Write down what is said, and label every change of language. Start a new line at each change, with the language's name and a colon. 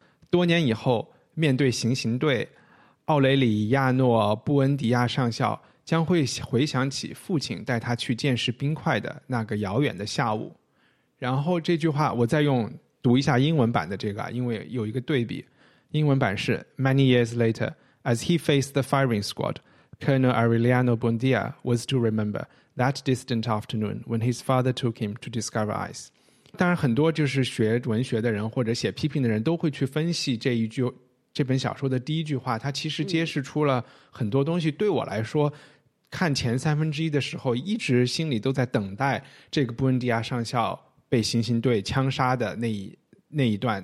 Chinese: 多年以后，面对行刑队，奥雷里亚诺·布恩迪亚上校将会回想起父亲带他去见识冰块的那个遥远的下午。然后这句话我再用读一下英文版的这个，因为有一个对比。英文版是
English: Many years later, as he faced the firing squad, Colonel Aureliano Buendia was to remember that distant afternoon when his father took him to discover ice.
Chinese: 当然很多就是学文学的人或者写批评的人都会去分析这本小说的第一句话，它其实揭示出了很多东西。对我来说，看前三分之一的时候，一直心里都在等待这个布恩迪亚上校被行刑队枪杀的那一段。